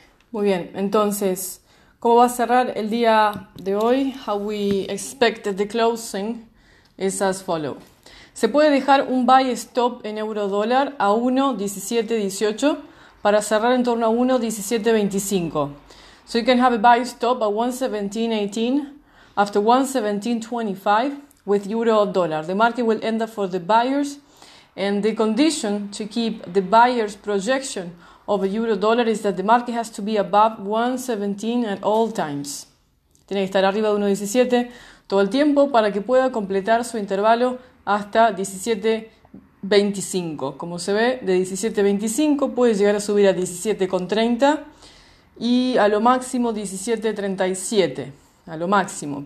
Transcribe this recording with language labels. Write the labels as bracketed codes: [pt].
[es] Muy bien, entonces, ¿cómo va a cerrar el día de hoy? [en] How we expect the closing is as follow. [es] Se puede dejar un buy stop en euro dólar a 1.1718 para cerrar en torno a 1.1725. [en] So you can have a buy stop at 1.1718 after 1.1725 with euro dólar. The market will end up for the buyers, and the condition to keep the buyer's projection of a euro dólar is that the market has to be above 1.17 at all times. [es] Tiene que estar arriba de 1.17 todo el tiempo para que pueda completar su intervalo hasta 17.25. Como se ve, de 17.25 puede llegar a subir a 17.30 y a lo máximo 17.37, a lo máximo.